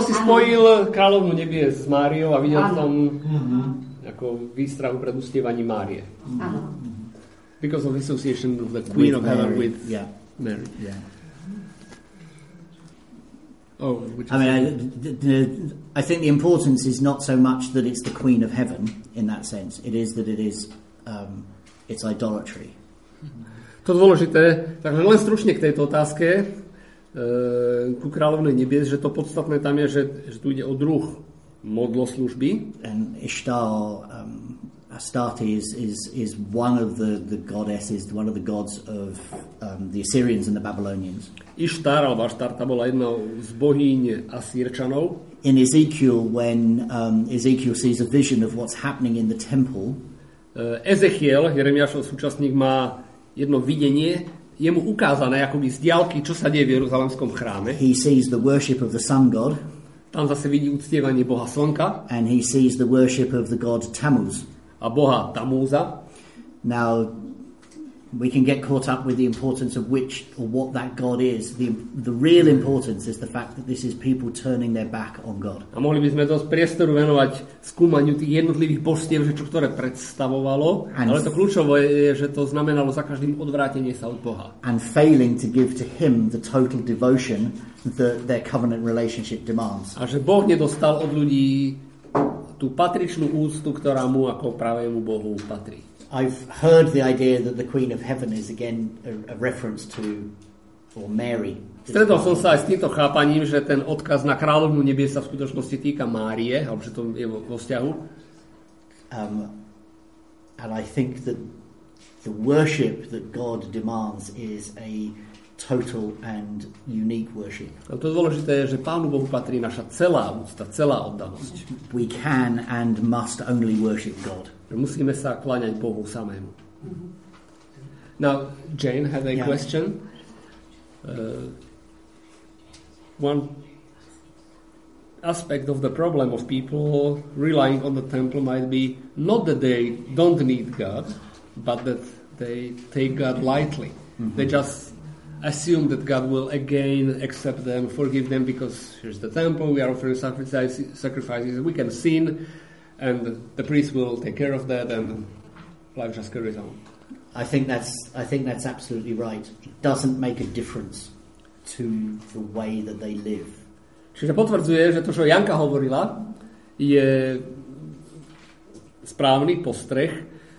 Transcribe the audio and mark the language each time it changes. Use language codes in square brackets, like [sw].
[sk] si, spojil kráľovnu nebie s Máriou a videl tam ako výstrahu pred ustievaním Márie. Áno. [en] Because of association of the Queen with of Heaven Mary. With yeah. Mary. Yeah. Oh, which I mean, I think the importance is not so much that it's the Queen of Heaven in that sense. It is that it is it's idolatry. [sk] To dôležité, takže len stručne k tejto otázke, ku kráľovnej nebies, že to podstatné tam je, že tu ide o druh modloslužby. [en] And Ishtar, Astarte is one of the goddesses, one of the gods of the Assyrians and the Babylonians. [sk] Ishtar, alebo Astarte, bola jednou z bohýň Asýrčanov. [en] In Ezekiel, when Ezekiel sees a vision of what's happening in the temple, [sk] Ezechiel, Jeremiášov súčasník, má jedno videnie, je mu ukázané akoby z diaľky, čo sa deje v Jeruzalemskom chráme. [en] He sees the worship of the sun god. [sk] Tam zase vidí uctievanie boha slnka. [en] And he sees the worship of the god Tammuz. [sk] A boha Tammuza. [en] Now, we can get caught up with the importance of which or what that god is. The real importance is the fact that this is people turning their back on God. [sk] A mohli by sme dosť priestoru venovať skúmaniu tých jednotlivých božstiev, že čo ktoré predstavovalo, and ale to kľúčové je, že to znamenalo za každým odvrátenie sa od Boha. [en] And failing to give to him the total devotion that their covenant relationship demands. [sk] A že Boh nedostal od ľudí tú patričnú úctu, ktorá mu ako pravému Bohu patrí. [en] I've heard the idea that the Queen of Heaven is again a reference to or Mary. [sk] Stretol som sa aj s týmto chápaním, že ten odkaz na kráľovnú nebie sa v skutočnosti týka Márie, alebo že to je vo vzťahu. [en] And I think that the worship that God demands is a total and unique worship. [sk] A to dôležité je, že Pánu Bohu patrí naša celá úcta, celá oddanosť. [en] We can and must only worship God. [sk] Musíme sa kláňať Bohu samému. [en] Now, Jane had a question. One aspect of the problem of people relying on the temple might be not that they don't need God, but that they take God lightly. Mm-hmm. They just assume that God will again accept them, forgive them, because here's the temple, we are offering sacrifices, we can sin, and the priest will take care of that and life just carries on. I think that's absolutely right. It doesn't make a difference to the way that they live. [sk] Čiže potvrdzuje, že to, čo Janka hovorila, je správny postreh.